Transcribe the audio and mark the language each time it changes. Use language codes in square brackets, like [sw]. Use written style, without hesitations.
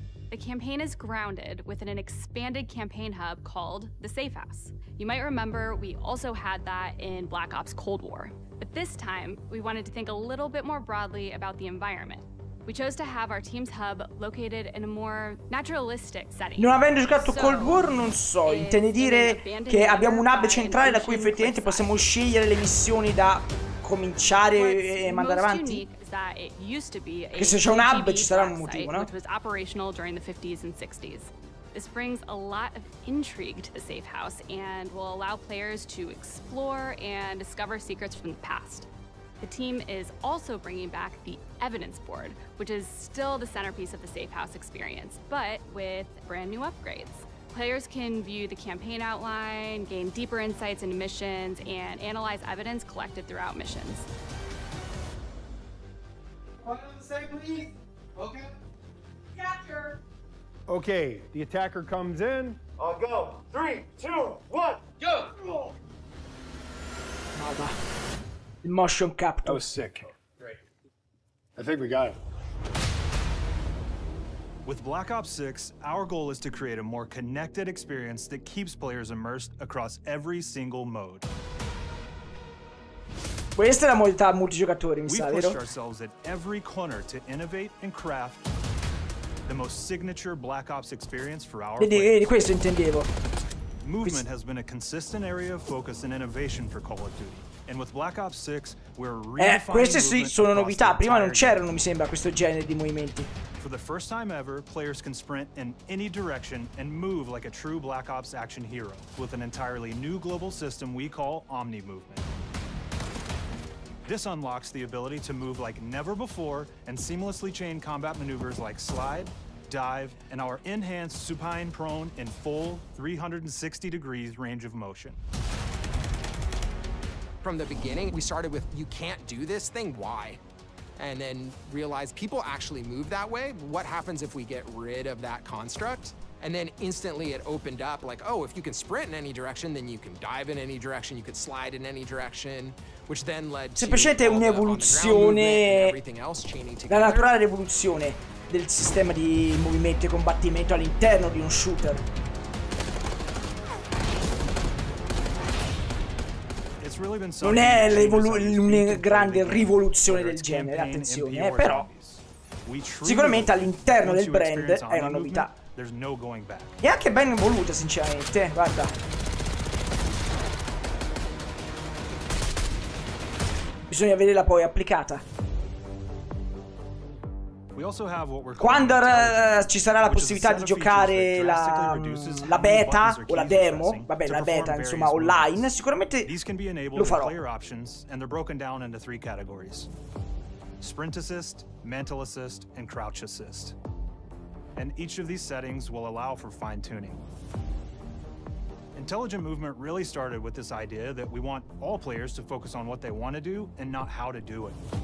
[en] The campaign is grounded within an expanded campaign hub called the Safe House. You might remember we also had that in Black Ops Cold War. But this time, we wanted to think a little bit more broadly about the environment. We chose to have our team's hub located in a more naturalistic setting. [it] Non avendo giocato Cold War, non so, intende dire che abbiamo un hub centrale da cui effettivamente possiamo scegliere le missioni da cominciare e mandare avanti? Che se c'è un hub ci sarà un motivo, no? [en] Which was operational during the 50s and 60s. This brings a lot of intrigue to the safe house and will allow players to explore and discover secrets from the past. The team is also bringing back the evidence board, which is still the centerpiece of the safe house experience, but with brand new upgrades. Players can view the campaign outline, gain deeper insights into missions, and analyze evidence collected throughout missions. One on the side, please. Okay. Capture. Okay, the attacker comes in. I'll go. 3, 2, 1, go! Mother. Motion capture. That was sick. Great. I think we got it. With Black Ops 6, our goal is to create a more connected experience that keeps players immersed across every single mode. [it] Questa è la modalità multigiocatore, mi sa, vero? [en] We pushed ourselves at every corner to innovate and craft the most signature Black Ops experience for our players. [it] Questo intendevo. [en] Movement has been a consistent area of focus and innovation for Call of Duty. And with Black Ops 6, we're [it] queste sì sono novità. Prima non c'erano, mi sembra, questo genere di movimenti. [en] For the first time ever, players can sprint in any direction and move like a true Black Ops action hero with an entirely new global system we call Omni Movement. This unlocks the ability to move like never before and seamlessly chain combat maneuvers like slide, dive, and our enhanced supine prone in full 360 degrees range of motion. From the beginning, we started with, you can't do this thing, why? And then realized people actually move that way. What happens if we get rid of that construct? And then instantly it opened up like, oh, if you can sprint in any direction, then you can dive in any direction, you could slide in any direction, which then led to [it] semplicemente un'evoluzione, [en] everything else chaining together. [it] La naturale evoluzione del sistema di movimento e combattimento all'interno di un shooter. [en] Really been so [it] non è una grande rivoluzione del genere, attenzione, però sicuramente all'interno del brand è una novità. E anche ben voluta, sinceramente, guarda. Bisogna vederla poi applicata. Quando ci sarà la possibilità di giocare la beta o la demo, vabbè la beta insomma online, sicuramente lo farò. [en] Player options and they're broken down into three categories: sprint assist, mantle assist, and crouch assist. And each of these settings will allow for fine tuning. Intelligent movement really started with this idea that we want all players to focus on what they want to do and not how to do it.